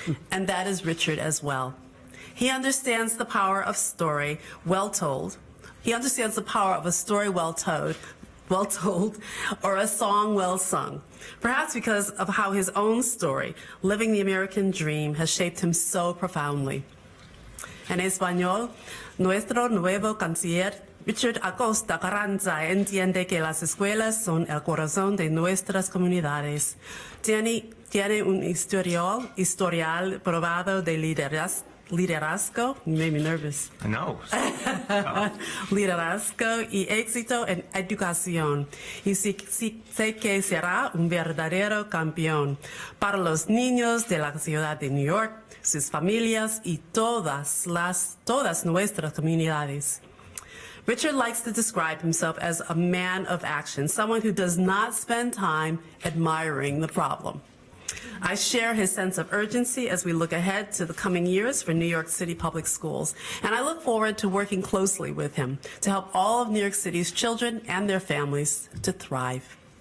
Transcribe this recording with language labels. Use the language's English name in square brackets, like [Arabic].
[English] And that is Richard as well. He understands the power of story well told. He understands the power of a story well told, or a song well sung. Perhaps because of how his own story, Living the American Dream, has shaped him so profoundly. [Spanish] En español, nuestro nuevo canciller, Richard Acosta Carranza, entiende que las escuelas son el corazón de nuestras comunidades. Tiene un historial probado de liderazgo. [English] You made me nervous. I know. [Spanish] Liderazgo y éxito en educación. Y sé que será un verdadero campeón para los niños de la ciudad de New York, sus familias y todas nuestras comunidades. [English] Richard likes to describe himself as a man of action, someone who does not spend time admiring the problem. I share his sense of urgency as we look ahead to the coming years for New York City Public Schools, and I look forward to working closely with him to help all of New York City's children and their families to thrive.